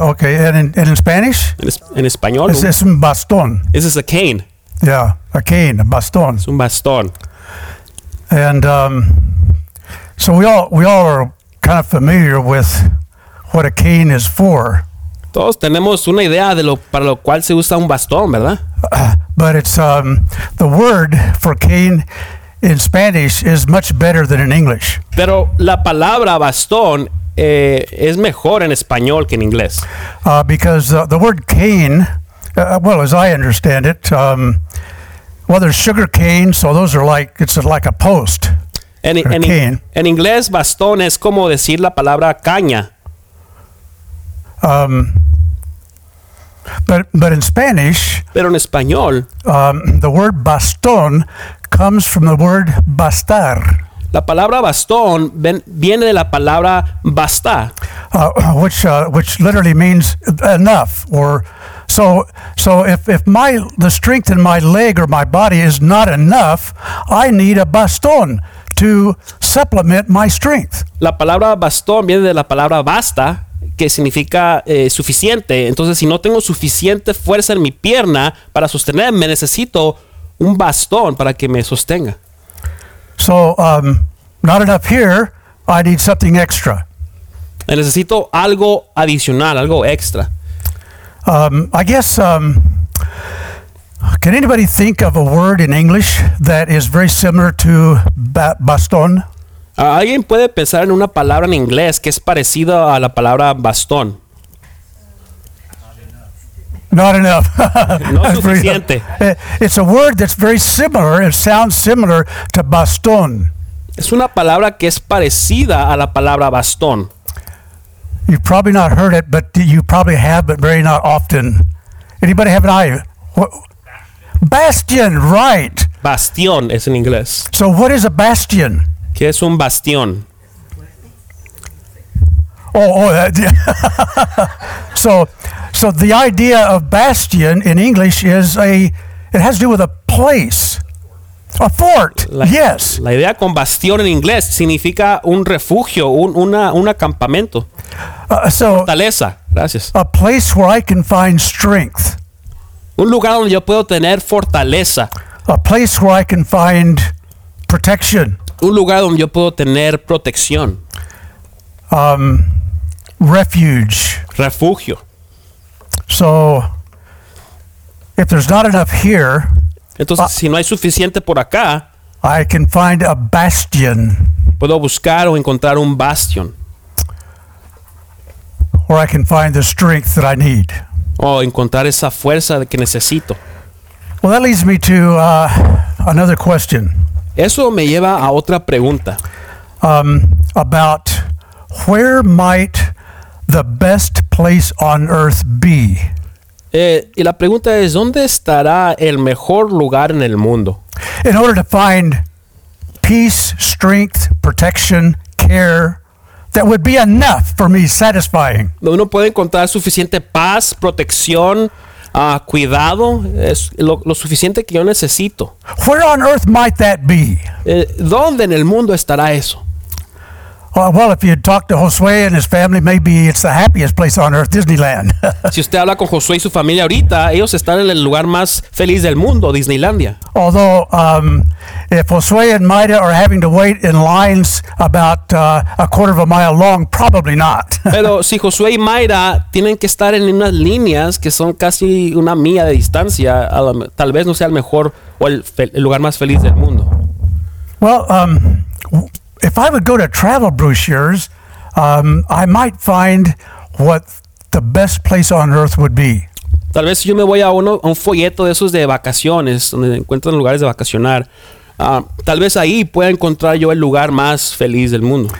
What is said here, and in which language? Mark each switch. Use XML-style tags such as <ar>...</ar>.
<en>Okay, and in Spanish?</en> <es>En español. Es un bastón.</es> <en>This is a cane. Yeah, a cane, a bastón.</en> <es>Es un bastón.</es> <en>And so we all are kind of familiar with what a cane is for.</en> <es>Todos tenemos una idea de lo para lo cual se usa un bastón, ¿verdad?</es> <en>But it's the word for cane in Spanish is much better than in English.</en> <es>Pero la palabra bastón es mejor en español que en inglés.</es> <en>Because the word cane, well, as I understand it, well, there's sugar cane, so those are like, it's like a post.</en> <es>En inglés, bastón es como decir la palabra caña.</es> <en>But in Spanish,</en> <es>pero en español,</es> <en>the word bastón comes from the word bastar.</en> <es>La palabra bastón viene de la palabra basta,</es> <en>which literally means enough. Or so if the strength in my leg or my body is not enough, I need a bastón to supplement my strength.</en> <es>La palabra bastón viene de la palabra basta, que significa suficiente. Entonces, si no tengo suficiente fuerza en mi pierna para sostenerme, necesito un bastón para que me sostenga.</es> <en>So, not enough here, I need something extra.</en> <es>Necesito algo adicional, algo extra.</es> <en>I guess, can anybody think of a word in English that is very similar to bastón?</en> <es>¿Alguien puede pensar en una palabra en inglés que es parecida a la palabra bastón?</es> <en>Not enough.</en> <es>No suficiente.</es> <en>It's a word that's very similar, it sounds similar to bastón.</en> <es>Es una palabra que es parecida a la palabra bastón.</es> <en>You've probably not heard it, but you probably have, but very not often. Anybody have an eye? Bastion, right.</en> <es>Bastión es en inglés.</es> <en>So what is a bastion?</en> <es>¿Qué es un bastión?</es> <en>So the idea of bastion in English is it has to do with a place. A fort. Yes.</en> <es>La idea con bastión en inglés significa un refugio, un acampamento. Fortaleza. Gracias.</es> <en>A place where I can find strength.</en> <es>Un lugar donde yo puedo tener fortaleza.</es> <en>A place where I can find protection.</en> <es>Un lugar donde yo puedo tener protección.</es> <en>Refuge.</en> <es>Refugio.</es> <en>So, if there's not enough here,</en> <es>entonces, si no hay suficiente por acá,</es> <en>I can find a bastion.</en> <es>Puedo buscar o encontrar un bastión.</es> <en>Or I can find the strength that I need.</en> <es>O encontrar esa fuerza que necesito.</es> <en>Well, that leads me to another question.</en> <es>Eso me lleva a otra pregunta.</es> <en>About where might the best place on earth be?</en> <es>Y la pregunta es, ¿dónde estará el mejor lugar en el mundo?</es> <en>In order to find peace, strength, protection, care, that would be enough for me, satisfying.</en> <es>Uno puede encontrar suficiente paz, protección, cuidado, es lo suficiente que yo necesito.</es> <en>Where on earth might that be?</en> <es>¿Dónde en el mundo estará eso?</es> <en>Well, if you talk to Josué and his family, maybe it's the happiest place on earth, Disneyland.</en> <es>Si usted habla con Josué y su familia ahorita, ellos están en el lugar más feliz del mundo, Disneylandia.</es> <en>Although, if Josué and Maida are having to wait in lines about a quarter of a mile long, probably not.</en> <es>Pero si Josué y Maida tienen que estar en unas líneas que son casi una milla de distancia, tal vez no sea el mejor o el lugar más feliz del mundo.</es> <en>Well, if I would go to travel brochures, I might find what the best place on earth would be.</en> <es>Tal vez si yo me voy a un folleto de esos de vacaciones, donde encuentran lugares de vacacionar, tal vez ahí pueda encontrar yo el lugar más feliz del mundo.</es>